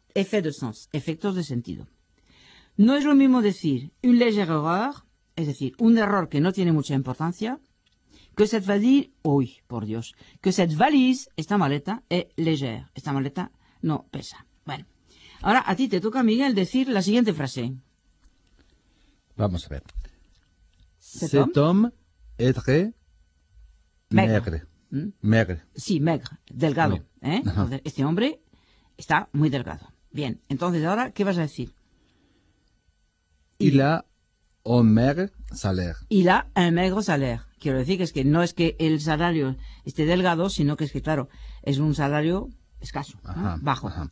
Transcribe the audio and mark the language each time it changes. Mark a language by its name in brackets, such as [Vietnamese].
[French] Effet de sens, [Spanish] efectos de sentido. No es lo mismo decir [French] une légère erreur, [Spanish] es decir, un error que no tiene mucha importancia, que [French] cette valise, [Spanish] uy, por Dios, que cette valise, esta maleta, [French] es légère, [Spanish] esta maleta no pesa. Bueno, ahora a ti te toca, Miguel, decir la siguiente frase. Vamos a ver. [French] Cet homme est très maigre. [Spanish] Maigre. Sí, maigre, delgado. Entonces, este hombre está muy delgado. Bien, entonces ahora, ¿qué vas a decir? [French] Il a un maigre salaire. Il a un maigre salaire. [Spanish] Quiero decir que es que no es que el salario esté delgado, sino que es que, claro, es un salario escaso, ajá, ¿no? Bajo.